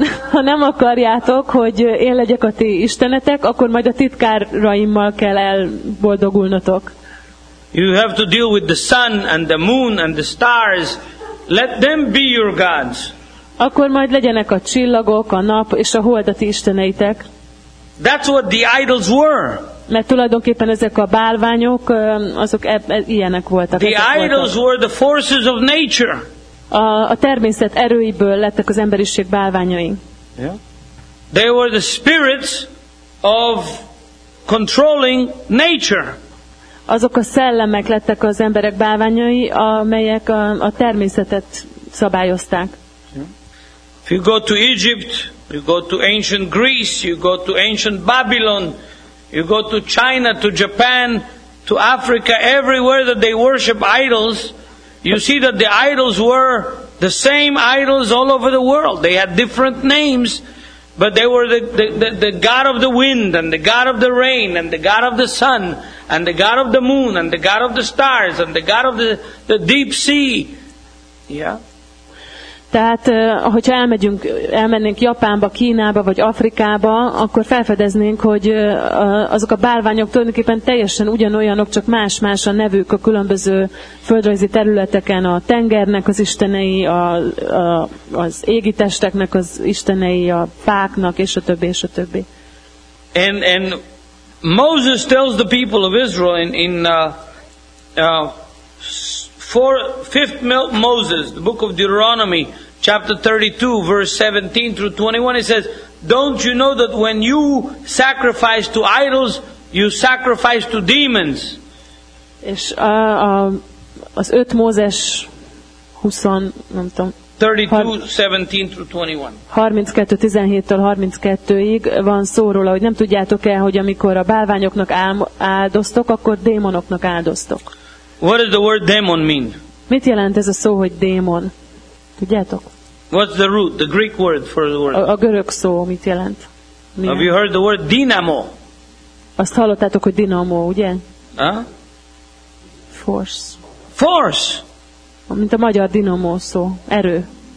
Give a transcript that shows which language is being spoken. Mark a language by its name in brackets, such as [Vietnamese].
[Hungarian] Ha nem akarjátok, hogy én legyek a ti istenetek, akkor majd a titkáraimmal kell elboldogulnotok. [English] You have to deal with the sun and the moon and the stars. Let them be your gods. [Hungarian] Akkor majd legyenek a csillagok, a nap és a hold a ti isteneitek. [English] That's what the idols were. [Hungarian] Mert tulajdonképpen ezek a bálványok, azok ilyenek voltak. [English] The idols were the forces of nature. [Hungarian] A természet erőiből lettek az emberiség bálványai. [English] Yeah. They were the spirits of controlling nature. [Hungarian] Azok a szellemek lettek az emberek bálványai, amelyek a természetet szabályozták. [English] Yeah. If you go to Egypt, you go to ancient Greece, you go to ancient Babylon, you go to China, to Japan, to Africa, everywhere that they worship idols, you see that the idols were the same idols all over the world. They had different names, but they were the god of the wind, and the god of the rain, and the god of the sun, and the god of the moon, and the god of the stars, and the god of the deep sea. Yeah. [Hungarian] Tehát, hogyha elmennénk Japánba, Kínába, vagy Afrikába, akkor felfedeznénk, hogy azok a bálványok tulajdonképpen teljesen ugyanolyanok, csak más-más a nevük a különböző földrajzi területeken, a tengernek az istenei, az égi testeknek az istenei, a fáknak, és a többi, és a többi. [English] And Moses tells the people of Israel for 5th Moses, the book of Deuteronomy, chapter 32, verse 17 through 21, it says, don't you know that when you sacrifice to idols, you sacrifice to demons? [Hungarian] És az 5 Mózes 20, nem tudom, 32:17-32-ig van szó róla, hogy nem tudjátok-e, hogy amikor a bálványoknak áldoztok, akkor démonoknak áldoztok. [English] What does the word demon mean? [Hungarian] Mit jelent ez a szó, hogy démon? Tudjátok? [English] What's the root, the Greek word for the word? [Hungarian] A görög szó mit jelent? Milyen? [English] Have you heard the word dynamo? [Hungarian] Azt hallottátok, hogy dinamo, ugye? Ha? [English] Force. Force! [Hungarian] Mint a magyar dinamo szó, erő.